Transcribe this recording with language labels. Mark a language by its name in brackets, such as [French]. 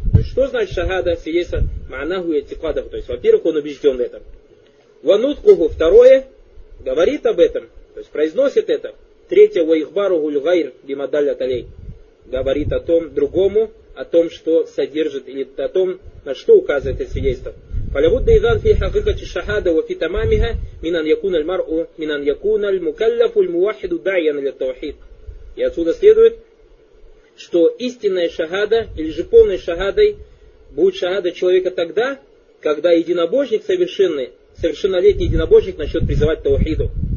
[Russian] Что значит шахада, свидетельство? [Arabic] Маанаху и этикладаху. [Russian] То есть, во-первых, он убежден в этом. [Arabic] Ва нуткуху. [Russian] Второе. Говорит об этом. То есть, произносит это. Третье, [Arabic] ва ихбару гуль гайр бимадалля талей. [Russian] Говорит о том другому, о том, что содержит, или о том, на что указывает это свидетельство. [Arabic] فلابد إذا في حقيقة الشهادة وفي تمامها من أن يكون المرء من أن يكون المكلف الموحد داعيا للتوحيد. [Russian] И отсюда следует, что истинная шахада, или же полной шахадой, будет шахада человека тогда, когда единобожник совершенный, совершеннолетний единобожник начнет призывать таухиду.